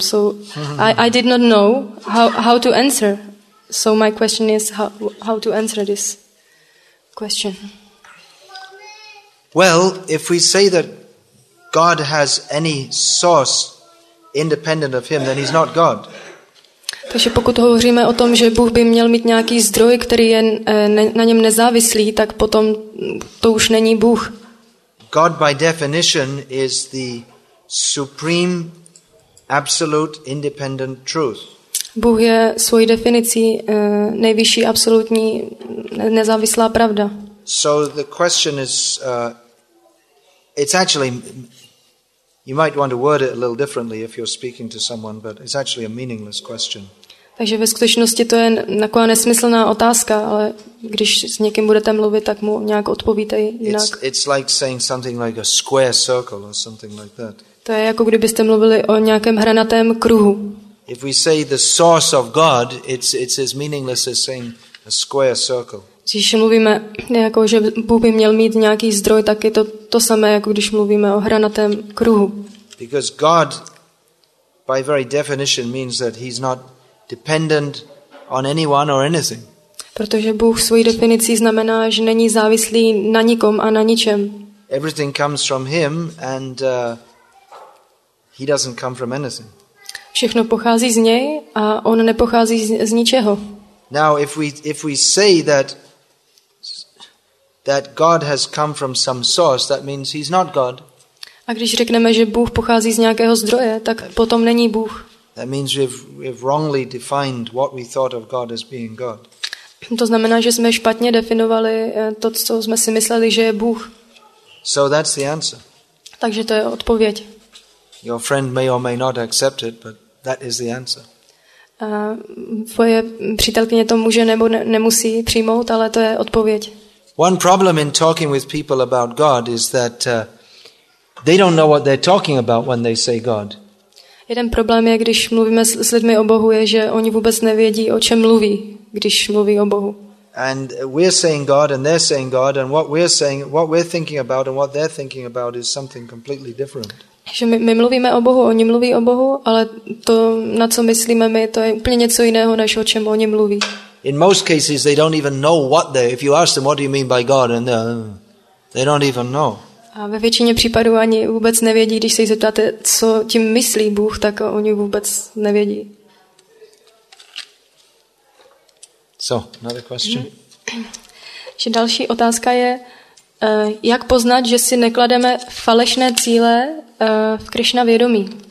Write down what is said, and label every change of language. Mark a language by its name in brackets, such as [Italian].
[English] So I did not know how to answer. So my question is how to answer this question. Well, if we say that God has any source independent of him, then he's not God. [Czech] Takže pokud hovoříme o tom, že Bůh by měl mít nějaký zdroj, který je na něm nezávislý, tak potom to už není Bůh. [English] God by definition is the supreme absolute independent truth. [Czech] Bůh je svojí definicí nejvyšší absolutní nezávislá pravda. [English] So the question is it's actually you might want to word it a little differently if you're speaking to someone, but it's actually a meaningless question. [Czech] Takže ve skutečnosti to je taková nesmyslná otázka, ale když s někým budete mluvit, tak mu nějak odpovíte jinak. [English] It's like saying something like a square circle or something like that. [Czech] To je jako kdybyste mluvili o nějakém hranatém kruhu. [English] If we say the source of God, it's as meaningless as saying a square circle. [Czech] Když mluvíme jako že Bůh by měl mít nějaký zdroj, tak je to samé jako když mluvíme o hranatém kruhu. [English] Because God by very definition means that he's not dependent on anyone or anything. [Czech] Protože Bůh svojí definicí znamená, že není závislý na nikom a na ničem. [English] Everything comes from him and he doesn't come from anything. [Czech] Všechno pochází z něj a on nepochází z ničeho. [English] Now if we say that God has come from some source, that means he's not God. [Czech] A když řekneme, že Bůh pochází z nějakého zdroje, tak potom není Bůh. [English] That means we've wrongly defined what we thought of God as being God. [Czech] To znamená, že jsme špatně definovali to, co jsme si mysleli, že je Bůh. [English] So that's the answer. [Czech] Takže to je odpověď. [English] Your friend may or may not accept it, but that is the answer. [Czech] Tvoje přítelkyně to může nebo nemusí přijmout, ale to je odpověď. [English] One problem in talking with people about God is that they don't know what they're talking about when they say God. [Czech] Jeden problém je, když mluvíme s lidmi o Bohu, je, že oni vůbec nevědí, o čem mluví, když mluví o Bohu. [English] And we're saying God and they're saying God and what we're saying, what we're thinking about and what they're thinking about is something completely different. [Czech] Že my mluvíme o Bohu, oni mluví o Bohu, ale to, na co myslíme my, to je úplně něco jiného, než o čem oni mluví. [English] In most cases they don't even know what they, if you ask them what do you mean by God and they don't even know. [Czech] A ve většině případů ani vůbec nevědí, když se jí zeptáte, co tím myslí Bůh, tak oni vůbec nevědí. [English] So, another question. [Czech] Že další otázka je, Jak poznat, že si neklademe falešné cíle v Krišna vědomí?